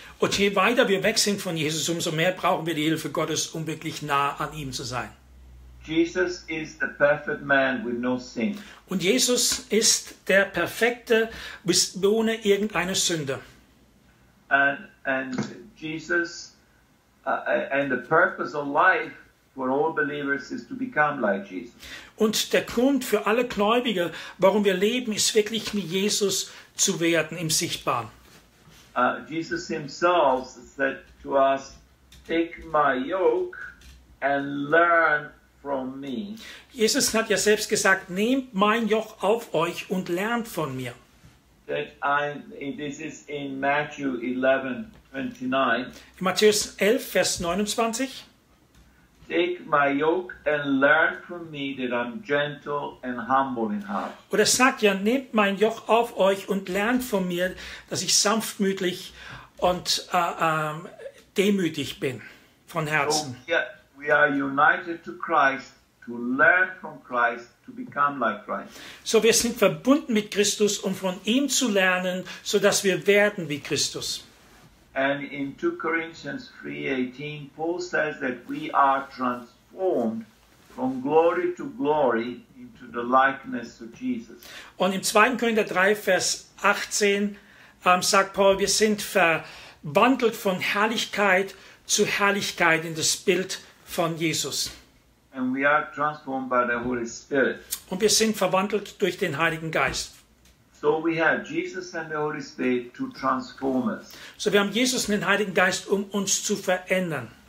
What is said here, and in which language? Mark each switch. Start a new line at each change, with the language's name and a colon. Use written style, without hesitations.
German: Und je weiter wir weg sind von Jesus, umso mehr brauchen wir die Hilfe Gottes, um wirklich nah an ihm zu sein.
English: Jesus is the perfect man with no sin.
German: Und Jesus ist der perfekte, ohne irgendeine Sünde.
English: And Jesus and the purpose of life for all believers is to become like Jesus.
German: Und der Grund für alle Gläubige, warum wir leben, ist wirklich wie Jesus zu werden im Sichtbaren.
English: Jesus himself said to us, take my yoke and learn from me.
German: Jesus hat ja selbst gesagt, nehmt mein Joch auf euch und lernt von mir.
English: That this is in Matthew 11:29.
German: In Matthäus 11, Vers 29.
English: Take my yoke and learn from me that I'm gentle and humble in heart.
German: Oder sagt ja, nehmt mein Joch auf euch und lernt von mir, dass ich sanftmütig und demütig bin von Herzen.
English: So we are united to Christ to learn from Christ to become like Christ.
German: So wir sind verbunden mit Christus, um von ihm zu lernen, so dass wir werden wie Christus.
English: And in 2 Corinthians 3:18, Paul says that we are transformed from glory to glory into the likeness of Jesus.
German: Und im 2. Korinther 3, Vers 18 sagt Paul, wir sind verwandelt von Herrlichkeit zu Herrlichkeit in das Bild von Jesus.
English: And we are transformed by the Holy Spirit.
German: Und wir sind verwandelt durch den Heiligen Geist.
English: So we have Jesus and the Holy Spirit to transform us.
German: So wir haben Jesus und den Heiligen Geist, um uns zu verändern.